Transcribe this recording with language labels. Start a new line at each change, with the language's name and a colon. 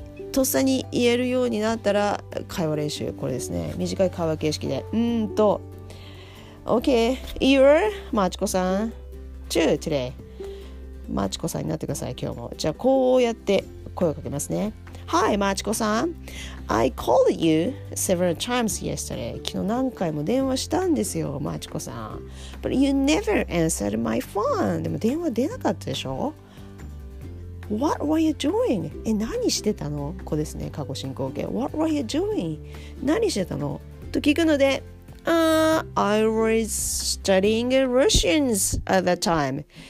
Japanese: とっさに言えるようになったら会話練習。これですね。短い会話形式で。Okay.
English: You're マチコさん。Today.
Japanese: マチコさんになってください今日も。じゃあこうやって声をかけますね。
English: Hi マチコさん、 I called you several times yesterday.
Japanese: 昨日何回も電話したんですよマチコさん。
English: But you never answered my phone.
Japanese: でも電話出なかったでしょ。
English: What were you doing?
Japanese: 何してたの。こうですね、過去進行形。
English: What were you doing?
Japanese: 何してたのと聞くので、
English: I was studying Russians at that time.